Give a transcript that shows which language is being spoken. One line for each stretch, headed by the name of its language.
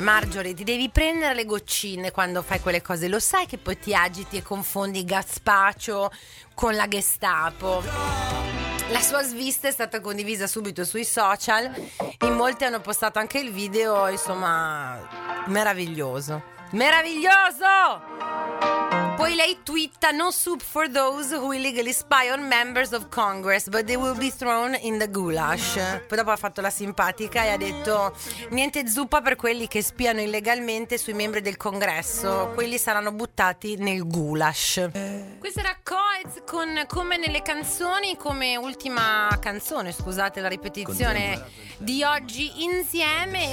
Italian: Marjorie, ti devi prendere le goccine quando fai quelle cose. Lo sai che poi ti agiti e confondi gazpacho con la Gestapo. La sua svista è stata condivisa subito sui social. In molti hanno postato anche il video. Insomma, meraviglioso. Meraviglioso! Poi lei twitta:
English: no soup for those who illegally spy on members of Congress, but they will be thrown in the goulash.
Italian: Poi dopo ha fatto la simpatica e ha detto: niente zuppa per quelli che spiano illegalmente sui membri del congresso, quelli saranno buttati nel goulash. Questa era Coez con Come nelle canzoni, come ultima canzone, scusate la ripetizione, di oggi insieme.